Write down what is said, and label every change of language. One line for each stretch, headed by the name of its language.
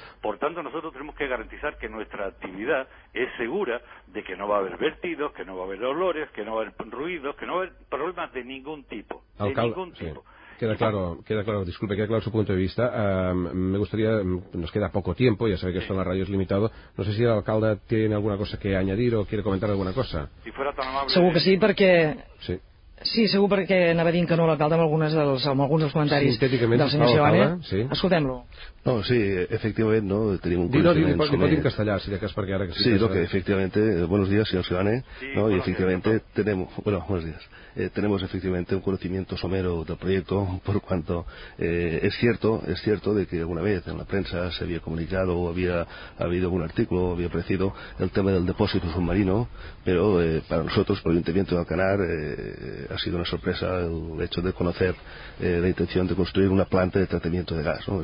Spanish: Por tanto, nosotros tenemos que garantizar que nuestra actividad es segura, de que no va a haber vertidos, que no va a haber olores, que no va a haber ruidos, que no va a haber problemas de ningún tipo. Alcalde, de ningún tipo. Sí. Queda claro su punto de vista. Me gustaría, nos queda poco tiempo, ya sabe que esto en la radio es limitado. No sé si el alcalde tiene alguna cosa que añadir o quiere comentar alguna cosa. Si fuera tan amable.
Catalan: Segur que sí, perquè... Sí. Sí, segur perquè anava dient que no l'alcalde amb alguns dels comentaris sintèticament del senyor Giovanni. Sí. Escoltem-lo. No, sí, efectivament, no, tenim un coneixement sobre... Dino, pot dir en castellà, si de cas, perquè ara... Que
Spanish: sí, no, que
Catalan: efectivament,
Spanish: buenos días, señor Giovanni, sí, no, bueno, y efectivamente tenemos, bueno, buenos días, tenemos efectivamente un conocimiento somero del proyecto, por cuanto es cierto de que alguna vez en la prensa se había comunicado o había habido algún artículo o había aparecido el tema del depósito submarino, pero para nosotros, por el Ayuntamiento de Alcanar, ha sido una sorpresa el hecho de conocer la intención de construir una planta de tratamiento de gas, ¿no?